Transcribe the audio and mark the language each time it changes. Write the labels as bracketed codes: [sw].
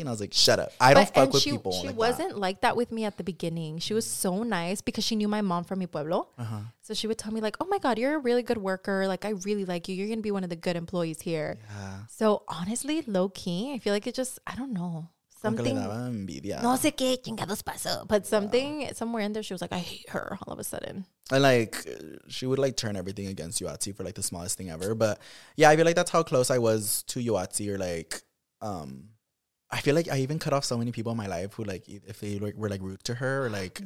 [en] And I was like, shut up. I don't fuck with people. She like wasn't that. Like that with me at the beginning. She was so nice because she knew my mom from Mi Pueblo. Uh-huh. So she would tell me, like, oh, my God, you're a really good worker. Like, I really like you. You're going to be one of the good employees here. Yeah. So, honestly, low-key, I feel like it just, I don't know. Something. [es] No sé qué chingados pasó. [en] But something, somewhere in there, she was like, I hate her all of a sudden. And, like, she would, like, turn everything against Yoatsi for, like, the smallest thing ever. But, yeah, I feel like that's how close I was to Yoatsi. Or, like, I feel like I even cut off so many people in my life who, like, if they like, were, like, rude to her or, like,